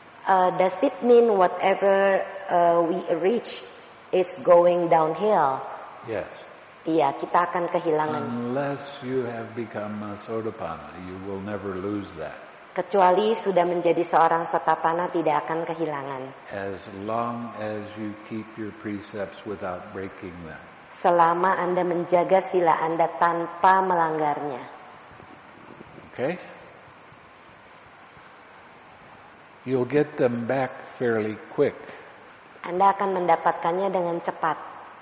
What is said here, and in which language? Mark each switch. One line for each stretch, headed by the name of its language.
English: Does it mean whatever we reach is going downhill? Yes.
Indonesian: Iya, kita akan kehilangan.
English: Unless you have become a sotapanna, you will never lose that.
Indonesian: Kecuali sudah menjadi seorang sotapanna, tidak akan kehilangan.
English: As long as you keep your precepts without breaking them.
Indonesian: Selama Anda menjaga sila Anda tanpa melanggarnya.
English: Okay. You'll get them back fairly quick.
Indonesian: Anda akan mendapatkannya dengan cepat.